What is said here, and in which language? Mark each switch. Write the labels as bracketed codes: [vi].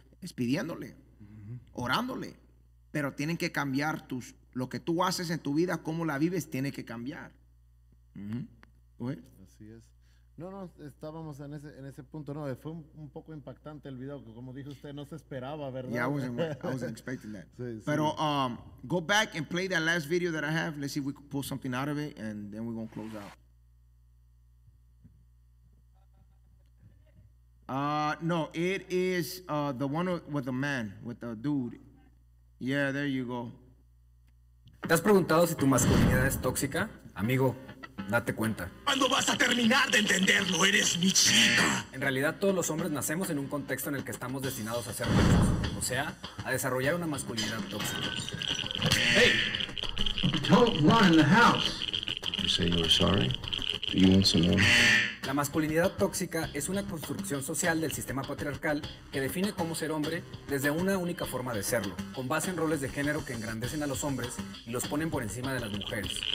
[es] Es pidiéndole, orándole. Pero tienen que cambiar lo que tú haces en tu vida, cómo la vives, tiene que cambiar. ¿Oye? Así es. No, estábamos en ese punto. No, fue un poco impactante el video, que como dijo usted, no se esperaba, ¿verdad? [en] Yeah, I wasn't expecting that. [es] Sí. Pero [en] go back and play that last video that I have. Let's see if we can pull something out of it, and then we're going to close out. No, it is the one with the man, with the dude. Yeah, there you go. [es] ¿Te has preguntado si tu masculinidad es tóxica? Amigo, date cuenta. ¿Cuándo vas a terminar de entenderlo? ¡Eres mi chica! En realidad, todos los hombres nacemos en un contexto en el que estamos destinados a ser machos. O sea, a desarrollar una masculinidad tóxica. [en] Hey! Don't run in the house! You say you were sorry? You want some more? [es] La masculinidad tóxica es una construcción social del sistema patriarcal que define cómo ser hombre desde una única forma de serlo, con base en roles de género que engrandecen a los hombres y los ponen por encima de las mujeres.